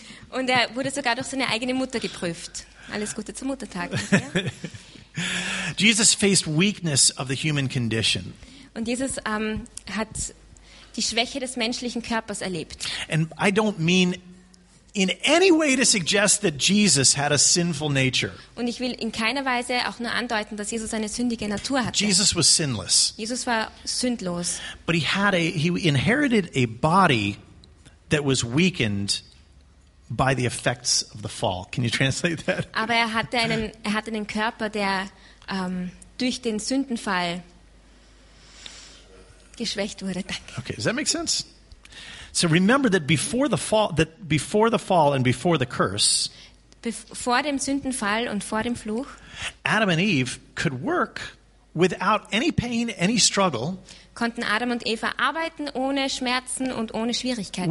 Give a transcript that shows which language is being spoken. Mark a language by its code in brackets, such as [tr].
[de] Und er wurde sogar durch seine eigene Mutter geprüft. Alles Gute zum Muttertag. [en] Jesus faced weakness of the human condition. [de] Und Jesus hat die Schwäche des menschlichen Körpers erlebt. [en] And I don't mean in any way to suggest that Jesus had a sinful nature. [de] Und ich will in keiner Weise auch nur andeuten, dass Jesus eine sündige Natur hatte. [en] Jesus was sinless. [de] Jesus war sündlos. [en] But he inherited a body that was weakened by the effects of the fall. Can you translate that? [de] Aber er hatte einen Körper, der durch den Sündenfall geschwächt wurde. Danke. [en] Okay, does that make sense? So remember that before the fall and before the curse, [de] vor dem Sündenfall und vor dem Fluch, [en] Adam and Eve could work without any pain, any struggle. [de] Konnten Adam und Eva arbeiten ohne Schmerzen und ohne Schwierigkeiten.